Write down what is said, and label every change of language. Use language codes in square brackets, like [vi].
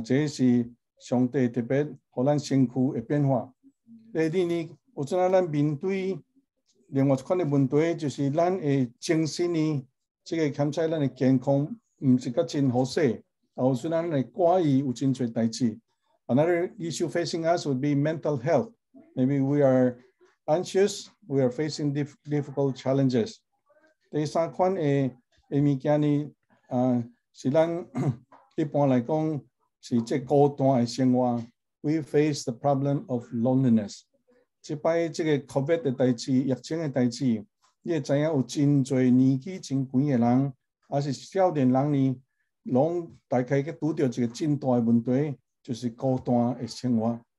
[nan] 这是上帝特别给咱身躯的变化。第二呢，有阵啊，咱面对另外一款的问题，就是咱的精神呢，这个看在咱的健康，唔是个真好势。有阵啊，咱的挂意有真侪代志。 [en] Another issue facing us would be mental health. Maybe we are anxious. We are facing difficult challenges. [nan] 第三款的物件呢，是咱一般来讲是这孤单的生活。 [en] We face the problem of loneliness. [nan] 即摆这个 COVID 的代志，疫情的代志，你会知影有真侪年纪真贵的人，还是少年人呢，拢大概去拄到一个真大的问题，就是孤单的生活。